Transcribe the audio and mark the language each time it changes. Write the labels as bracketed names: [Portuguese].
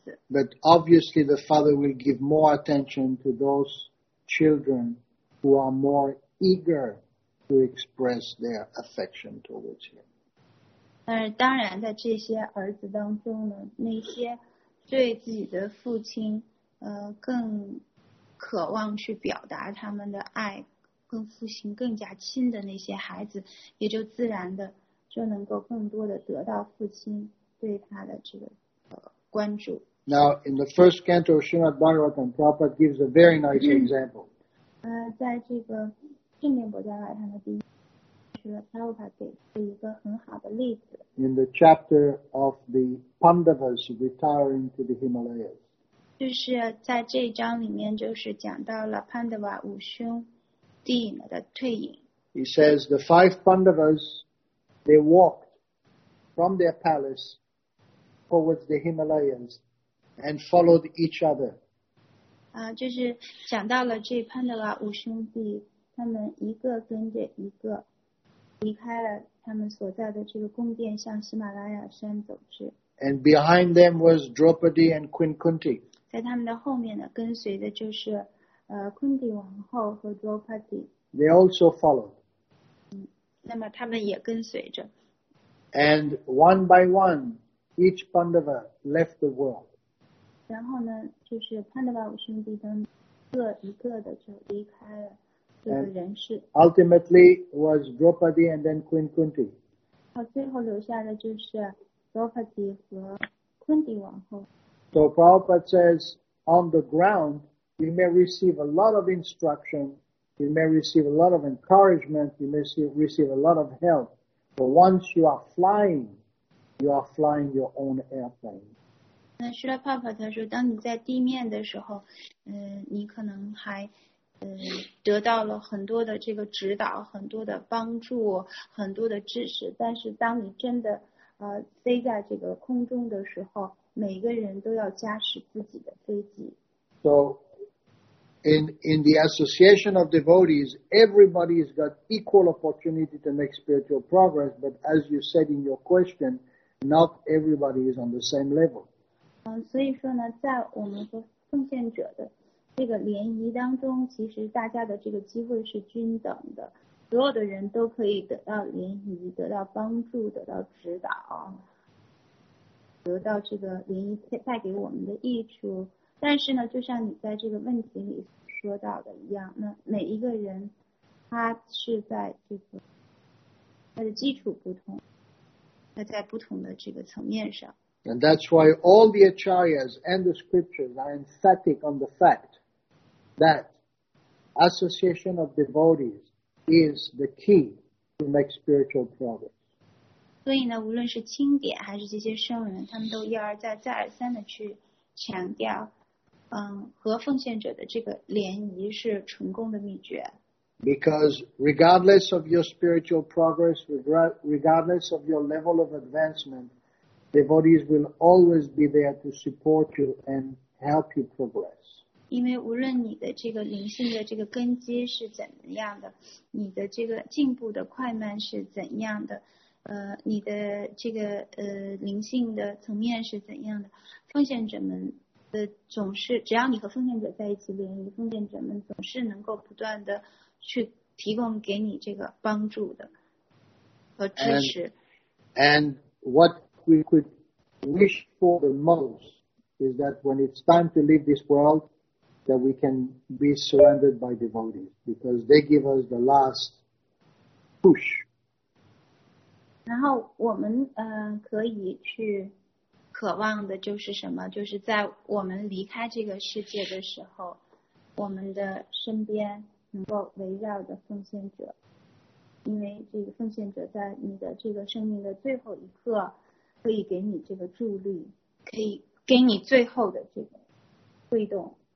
[English] But obviously, the father will give more attention to those children who are more eager to express their affection towards him. [Chinese] 当然，在这些儿子当中呢，那些对自己的父亲，更渴望去表达他们的爱，跟父亲更加亲的那些孩子，也就自然的就能够更多的得到父亲。 [English] Now, in the first canto of Srimad Bhagavatam, Prabhupada gives a very nice example. [Chinese] 在这个正念博迦瓦坦的第一是 Prabhupada 给出一个很好的例子。 [English] In the chapter of the Pandavas retiring to the Himalayas. [Chinese] 就是在这一章里面，就是讲到了 Pandava 五兄弟的退隐。 [English] He says the five Pandavas, they walked. From their palace towards the Himalayas and followed each other. [Chinese] 就是讲到了这潘德拉五兄弟，他们一个跟着一个离开了他们所在的这个宫殿，向喜马拉雅山走去。 [English] And behind them was Draupadi and Queen Kunti. [Chinese] 在他们的后面呢，跟随的就是Kunti 王后和 Draupadi. [English] They also followed. [Chinese] 那么他们也跟随着。 [English] And one by one, each Pandava left the world. [Chinese] 然后呢，就是 Pandava 五兄弟他们各一个的就离开了这个人世。 [English] Ultimately, was Draupadi and then Queen Kunti. [Chinese] 最后留下的就是 Draupadi 和 Kunti 王后。 [English] So Prabhupada says, on the ground, you may receive a lot of instruction, you may receive a lot of encouragement, you may receive a lot of help. But once you are flying, you are flying your own airplane. [Chinese] 那希拉帕帕他说，当你在地面的时候，你可能还，得到了很多的这个指导，很多的帮助，很多的支持。但是当你真的，飞在这个空中的时候，每个人都要驾驶自己的飞机。 [English] So, in the association of devotees, everybody has got equal opportunity to make spiritual progress, but as you said in your question, not everybody is on the same level. [Chinese] 所以说呢，在我们和奉献者的这个联谊当中，其实大家的这个机会是均等的，所有的人都可以得到联谊，得到帮助，得到指导，得到这个联谊带给我们的益处。但是呢，就像你在这个问题里说到的一样，那每一个人他是在这个他的基础不同，他在不同的这个层面上。 [English] And that's why all the acharyas and the scriptures are emphatic on the fact that association of devotees is the key to make spiritual progress. [Chinese] 所以呢，无论是经典还是这些圣人，他们都一而再、再而三的去强调。和奉献者的这个联谊是成功的秘诀。 [English] Because regardless of your spiritual progress, regardless of your level of advancement, devotees will always be there to support you and help you progress. [Chinese] 因为无论你的这个灵性的这个根基是怎样的，你的这个进步的快慢是怎样的，你的这个灵性的层面是怎样的，奉献者们。总是只要你和奉献者在一起联谊，奉献者们总是能够不断的去提供给你这个帮助的和支持。 [English] And what we could wish for the most is that when it's time to leave this world, that we can be surrounded by devotees because they give us the last push. [Chinese] 然后我们可以去。渴望的就是什么，就是在我们离开这个世界的时候，我们的身边能够围绕着奉献者，因为这个奉献者在你的这个生命的最后一刻可以给你这个助力，可以给你最后的这个推动。